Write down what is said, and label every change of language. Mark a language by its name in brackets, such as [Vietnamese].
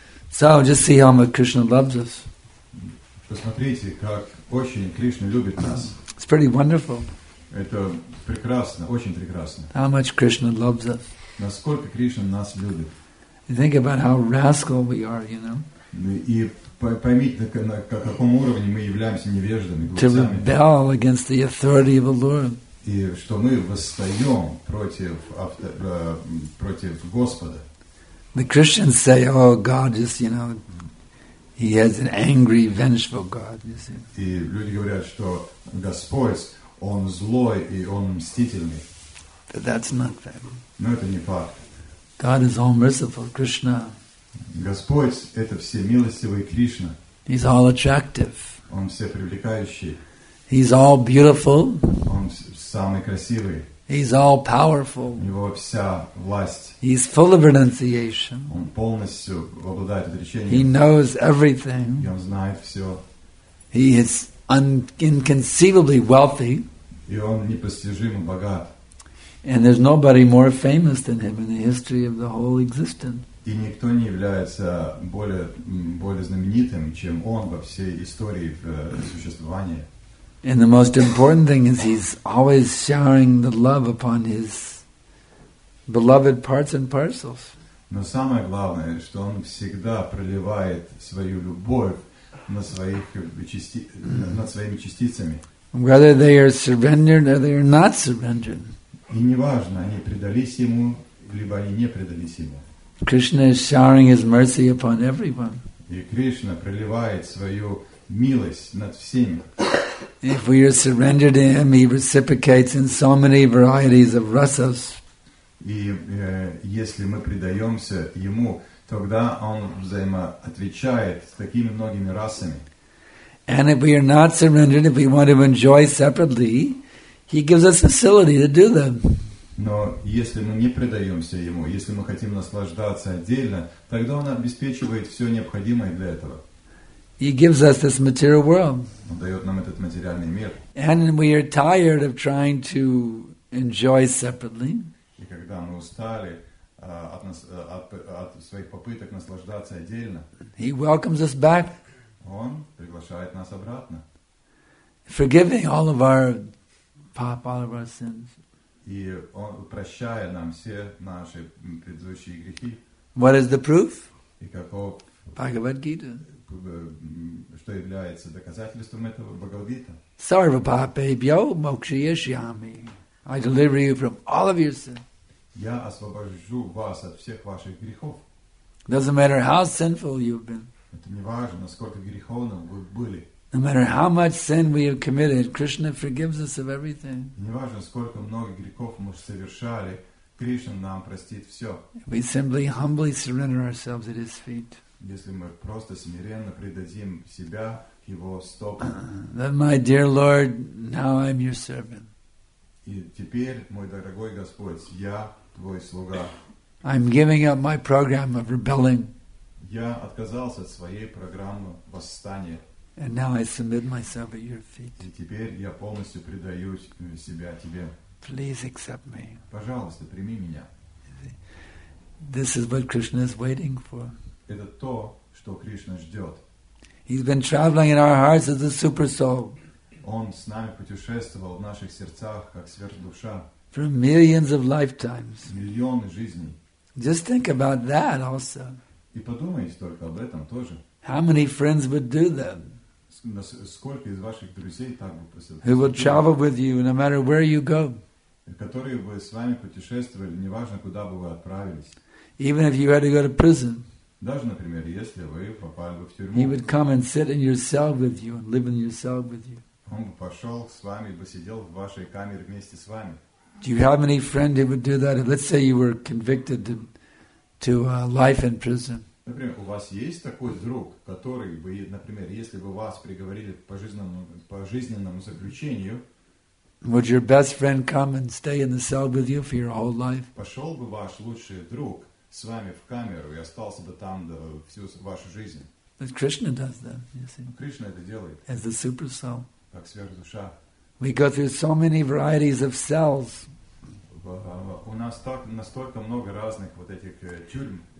[English] So just see how much Krishna loves us. [Russian] Посмотрите, как очень Кришна любит нас. [English] It's pretty wonderful. [Russian] Это прекрасно, очень прекрасно. [English] How much Krishna loves us. [Russian] Насколько Кришна нас любит. [English] Think about how rascal we are, you know. [Russian] И поймите, на каком уровне мы являемся невеждами, глупцами. [English] To rebel against the authority of the Lord. [Russian] И что мы восстаем против против Господа. [English] The Christians say, "Oh God, just you know." He has an angry, vengeful God, you see. [Russian] И люди говорят, что Господь, Он злой и Он мстительный. [English] But that's not fact. [Russian] Но это не факт. [English] God is all merciful, Krishna. [Russian] Господь – это все милостивый Кришна. [English] He's all attractive. [Russian] Он все привлекающий. [English] He's all beautiful. [Russian] Он самый красивый. [English] He's all powerful. [Russian] У него вся власть. [English] He's full of renunciation. [Russian] Он полностью обладает отречением. [English] He knows everything. [Russian] И он знает все. [English] He is inconceivably wealthy. [Russian] И он непостижимо богат. [English] And there's nobody more famous than him in the history of the whole existence. [Russian] И никто не является более знаменитым, чем он во всей истории существования. [English] And the most important thing is he's always showering the love upon his beloved parts and parcels. [Russian] Но самое главное, что он всегда проливает свою любовь на своих над своими частицами. [English] Whether they are surrendered or they are not surrendered. [Russian] И неважно, они предались ему, либо они не предались ему. [English] Krishna is showering his mercy upon everyone. [Russian] И Кришна проливает свою милость над всеми. [English] If we are surrendered to him, he reciprocates in so many varieties of rasas. [Russian] И если мы предаемся ему, тогда он взаимоотвечает с такими многими расами. [English] And if we are not surrendered, if we want to enjoy separately, he gives us facility to do them. [Russian] Но если мы не предаемся ему, если мы хотим наслаждаться отдельно, тогда он обеспечивает все необходимое для этого. [English] He gives us this material world. [Russian] Он дает нам этот материальный мир. [English] And we are tired of trying to enjoy separately. [Russian] И когда мы устали от своих попыток наслаждаться отдельно, [English] he welcomes us back. [Russian] Он приглашает нас обратно. [English] Forgiving all of our all of our sins. [Russian] И он прощает нам все наши предыдущие грехи. [English] What is the proof? [Russian] И каков [English] Bhagavad Gita. [Russian] Что является доказательством этого Бхагавад-гита? [Sanskrit] Sarva papebhyo mokshayishyami. [English] I deliver you from all of your sins. [Russian] Я освобожу вас от всех ваших грехов. [English] Doesn't matter how sinful you've been. [Russian] Это не важно, насколько греховным вы были. [English] No matter how much sin we have committed, Krishna forgives us of everything. [Russian] Не важно, сколько много грехов мы совершали, Кришна нам простит все. [English] We simply humbly surrender ourselves at his feet. [Russian] Если мы просто смиренно предадим себя его стопам. [English] Then, my dear Lord, now I'm your servant. [Russian] И теперь, мой дорогой Господь, я твой слуга. [English] I'm giving up my program of rebelling. [Russian] Я отказался от своей программы восстания. [English] And now I submit myself at your feet. [Russian] И теперь я полностью предаю себя тебе. [English] Please accept me. [Russian] Пожалуйста, прими меня. [English] This is what Krishna is waiting for. [Russian] Это то, что Кришна ждет. [English] He's been traveling in our hearts as a super soul. [Russian] Он с нами путешествовал в наших сердцах как сверхдуша. [English] For millions of lifetimes. [Russian] Миллионы жизней. [English] Just think about that also. [Russian] И подумайте только об этом тоже. [English] How many friends would do that? [Russian] Сколько из ваших друзей так бы поступили? [English] Who would travel with you no matter where you go? [Russian] Которые бы с вами путешествовали, неважно куда бы вы отправились. [English] Even if you had to go to prison. [Russian] Даже, например, если вы попали бы в тюрьму. [English] He would come and sit in your cell with you and live in your cell with you. [Russian] Он бы пошел с вами и бы сидел в вашей камере вместе с вами. [English] Do you have any friend who would do that? Let's say you were convicted to life in prison. [Russian] Например, у вас есть такой друг, который бы, например, если бы вас приговорили к пожизненному заключению, [English] would your best friend come and stay in the cell with you for your whole life? [Russian] Пошел бы ваш лучший друг с вами в камеру и остался бы там до всю вашу жизнь. [English] But Krishna does that, you see. [Russian] Кришна это делает. [English] As the super soul. [Russian] Как сверхдуша. [English] We go through so many varieties of cells. [Russian] У нас так настолько много разных вот этих тюрьм.